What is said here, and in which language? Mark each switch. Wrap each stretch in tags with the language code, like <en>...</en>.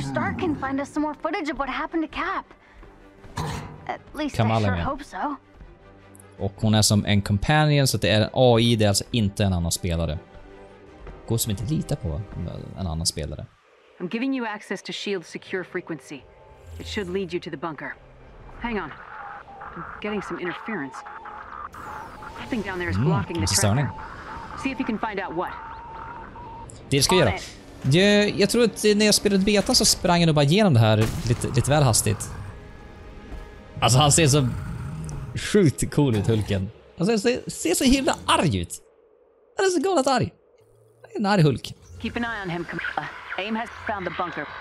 <en>Stark can find us some more footage of what happened to Cap. At least Kamala I sure hope so.</en> <sv>Och hon är som en companion, så det är en AI, det är alltså inte en annan spelare. Går som inte lita på en annan spelare.</sv> <en>I'm giving you access to Shield secure frequency. It should lead you to the bunker. Hang on. I'm getting some interference. I think down there is blocking the tracker. See if you can find out what.</en> <sv>Det ska jag göra. Jag tror att när jag spelade beta så sprang jag nog bara igenom det här lite väl hastigt. Alltså han ser så sjukt cool ut, Hulken. Alltså han ser så himla arg ut. Han är så galet arg. En arg Hulk.</sv> <en>Keep an eye on him, Kamala. AIM has found the bunker.</en>